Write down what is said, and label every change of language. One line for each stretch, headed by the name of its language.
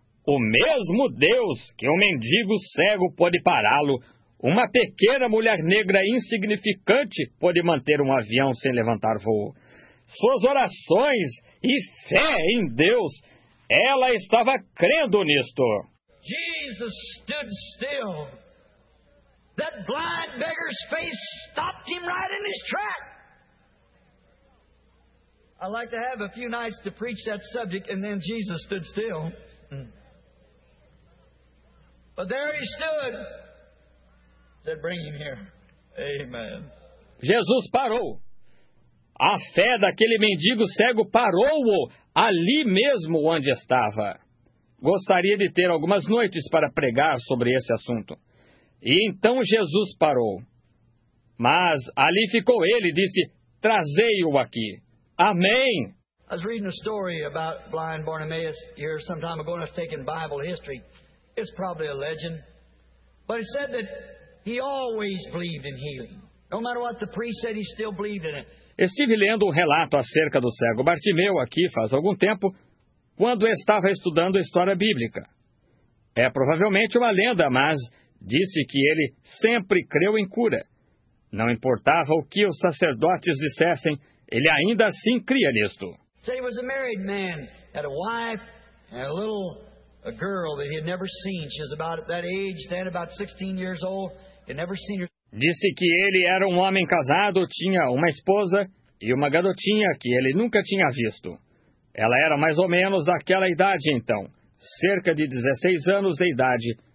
Portuguese: O mesmo Deus que um mendigo cego pode pará-lo, uma pequena mulher negra insignificante pode manter um avião sem levantar voo. Suas orações e fé em Deus, ela estava crendo nisto.
English: Jesus stood still. That blind beggar's face stopped him right in his track. I'd like to have a few nights to preach that subject, and then Jesus stood still. But there he stood. He said, bring him here. Amen.
Portuguese: Jesus parou. A fé daquele mendigo cego parou-o ali mesmo onde estava. Gostaria de ter algumas noites para pregar sobre esse assunto. E então Jesus parou. Mas ali ficou ele e disse, trazei-o aqui. Amém.
English: I was reading a story about blind Bartimaeus here some time ago, and I was taking Bible history. It's probably a legend. But it said that he always believed in healing. No matter what the priest said, he still believed in it.
Portuguese: Estive lendo um relato acerca do cego Bartimeu aqui faz algum tempo, quando estava estudando a história bíblica. É provavelmente uma lenda, mas disse que ele sempre creu em cura. Não importava o que os sacerdotes dissessem, ele ainda assim cria nisto.
English: Said he was a married man, had a wife and a little girl that he had never seen. She was about that age, then about 16 years old. He had never seen her.
Portuguese: Disse que ele era um homem casado, tinha uma esposa e uma garotinha que ele nunca tinha visto. Ela era mais ou menos daquela idade então, cerca de 16 anos de idade.